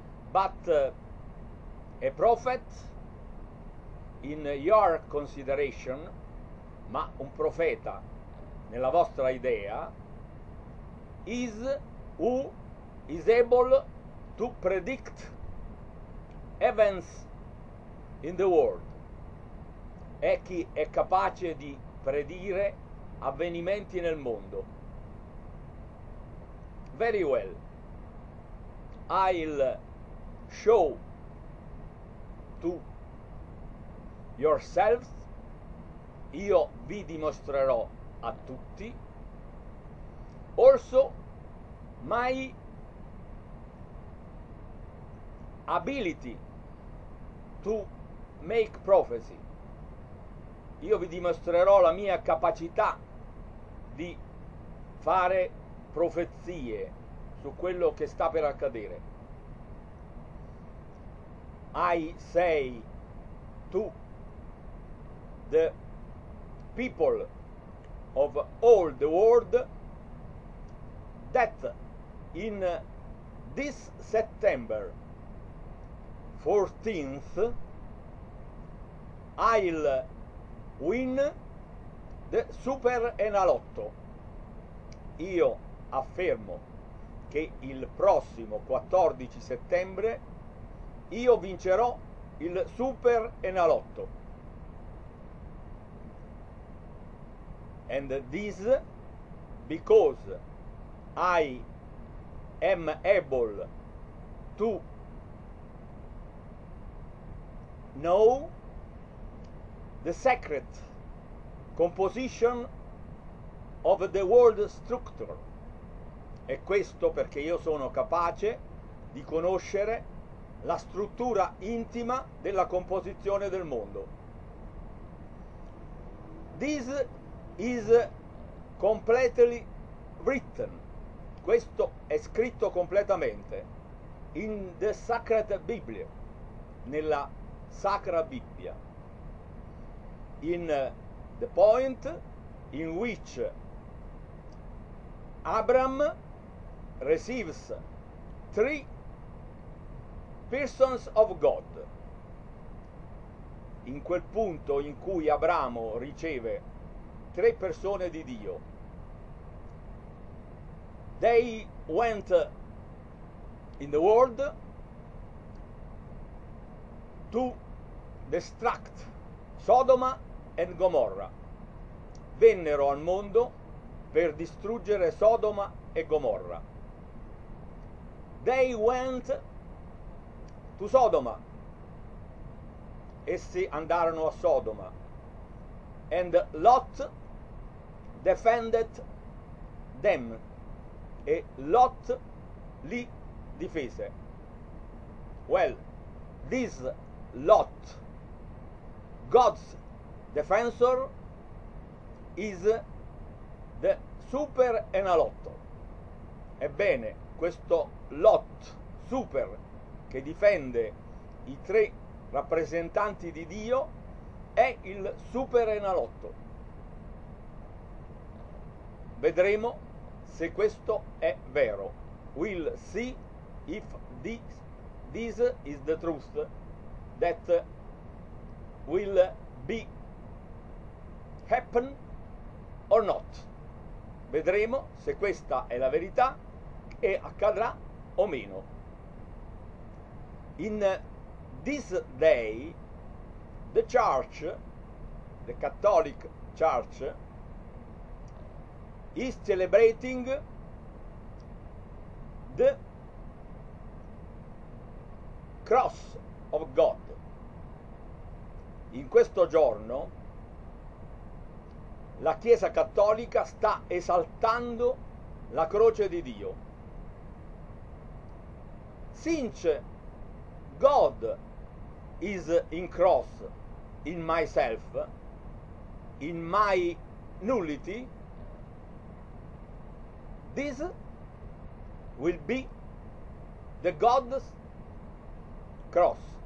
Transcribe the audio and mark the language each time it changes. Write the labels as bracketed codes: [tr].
[en] But a prophet in your consideration, [it] ma un profeta nella vostra idea, [en] is who is able to predict events in the world. [it] È chi è capace di predire avvenimenti nel mondo. [en] Very well. I'll show to yourselves, [it] io vi dimostrerò a tutti, [en] also my ability to make prophecy. [it] Io vi dimostrerò la mia capacità di fare profezie su quello che sta per accadere. [en] I say to the people of all the world that in this September 14th I'll win [it] Super Enalotto, io affermo che il prossimo 14 settembre io vincerò il Super Enalotto. [en] And this because I am able to know the secret composition of the world structure. [it] E questo perché io sono capace di conoscere la struttura intima della composizione del mondo. [en] This is completely written. [it] Questo è scritto completamente [en] in the Sacred Bible, [it] nella Sacra Bibbia. [en] In the point in which Abraham receives three persons of God. [it] In quel punto in cui Abramo riceve tre persone di Dio. [en] They went in the world to destruct Sodom and Gomorrah. [it] Vennero al mondo per distruggere Sodom e Gomorra. [en] They went to Sodom. [it] Essi andarono a Sodom. [en] And Lot defended them. [it] E Lot li difese. [en] Well, this Lot, God's defensor, is the Super Enalotto. [it] Ebbene, questo Lot super che difende i tre rappresentanti di Dio è il Super Enalotto. Vedremo se questo è vero. [en] We'll see if this is the truth that will be happen or not. [it] Vedremo se questa è la verità e accadrà o meno. [en] In this day, the church, the Catholic Church, is celebrating the cross of God. [it] In questo giorno la Chiesa Cattolica sta esaltando la croce di Dio. [en] Since God is in cross, in myself, in my nullity, this will be the God's cross.